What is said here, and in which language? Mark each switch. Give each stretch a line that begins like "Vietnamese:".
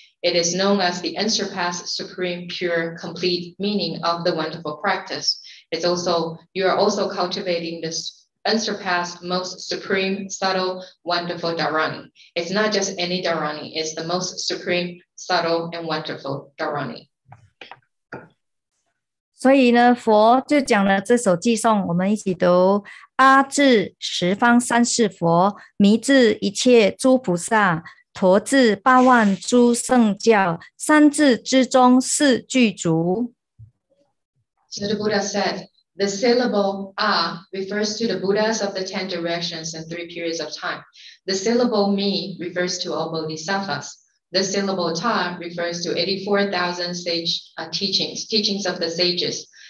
English: It is known as the unsurpassed, supreme, pure, complete meaning of the wonderful practice. It's also, you are also cultivating this unsurpassed, most supreme, subtle, wonderful Dharani. It's not just any Dharani, it's the most supreme, subtle and wonderful Dharani.
Chinese: 所以呢，佛就讲了这首偈颂，我们一起读：阿至十方三世佛，弥至一切诸菩萨，陀至八万诸圣教，三至之中四具足。
English: So the Buddha said, the syllable A refers to the Buddhas of the 10 directions and 3 periods of time. The syllable Mi refers to all Bodhisattvas. The syllable Ta refers to 84,000 sage teachings of the sages.